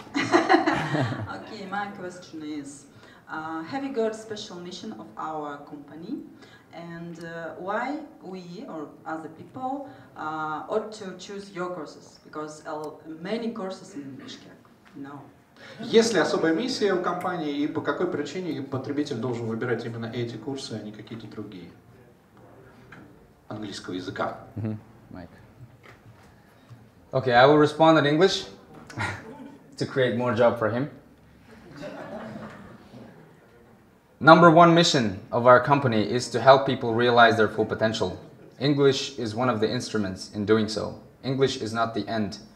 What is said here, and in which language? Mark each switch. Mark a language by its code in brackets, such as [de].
[en] Okay, my question is, have you got a special mission of our company? And why we or other people ought to choose your courses? Because many courses in Bishkek. No. [ru] Есть ли особая миссия у компании и по какой причине потребитель должен выбирать именно эти курсы, а не какие-то другие английского языка? Майк. [en] Okay, I will respond in English to create more job for him. Number one mission of our company is to help people realize their full potential. English is one of the instruments in doing so. English is not the end.